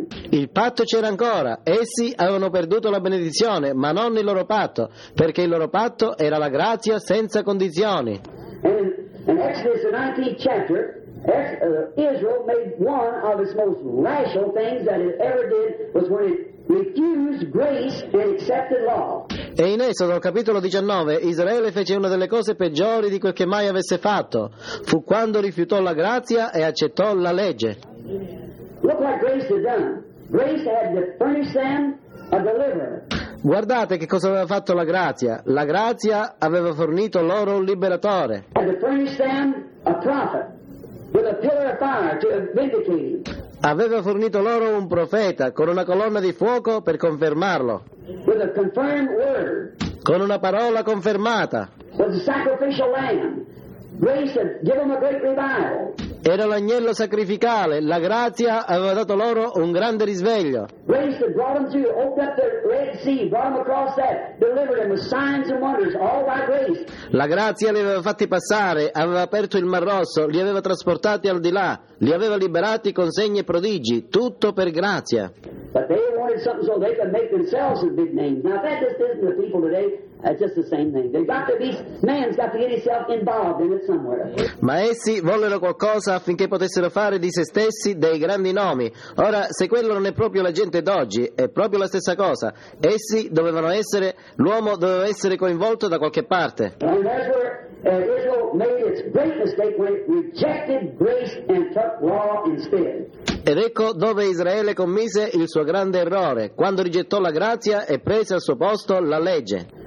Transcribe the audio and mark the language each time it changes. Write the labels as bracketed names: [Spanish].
[Italian] Il patto c'era ancora, essi avevano perduto la benedizione, ma non il loro patto, perché il loro patto era la grazia senza condizioni. [English] In Exodus, the 19th chapter, Israel made one of its most rational things that it ever did was when it refused grace and accepted law. [Italian] E in Esodo, capitolo 19, Israele fece una delle cose peggiori di quel che mai avesse fatto. Fu quando rifiutò la grazia e accettò la legge. [English] Look what grace had done. Grace had to furnish them a deliverer. [Italian] Guardate che cosa aveva fatto la grazia. La grazia aveva fornito loro un liberatore. [English] Had to furnish them a prophet with a pillar of fire to vindicate him. [Italian] Aveva fornito loro un profeta con una colonna di fuoco per confermarlo. [English] With a confirmed word. [Italian] Con una parola confermata. [English] Was a sacrificial lamb. Grace had given them a great revival. [Italian] Era l'agnello sacrificale. La grazia aveva dato loro un grande risveglio. [English] Grace had brought them through, opened up the Red Sea, brought them across that, delivered them with signs and wonders, all by grace. [Italian] La grazia li aveva fatti passare, aveva aperto il Mar Rosso, li aveva trasportati al di là, li aveva liberati con segni e prodigi, tutto per grazia. [English] But they wanted something so they could make themselves a big name. Now that just isn't the people today. It's just the same thing. They've got to be, man's got to get himself involved in it somewhere. [Italian] Ma essi vollero qualcosa affinché potessero fare di se stessi dei grandi nomi. Ora, se quello non è proprio la gente d'oggi, è proprio la stessa cosa. Essi dovevano essere, l'uomo doveva essere coinvolto da qualche parte. [English] And that's where Israel made its great mistake when it rejected grace and took law instead. [Italian] Ed ecco dove Israele commise il suo grande errore, quando rigettò la grazia e prese al suo posto la legge.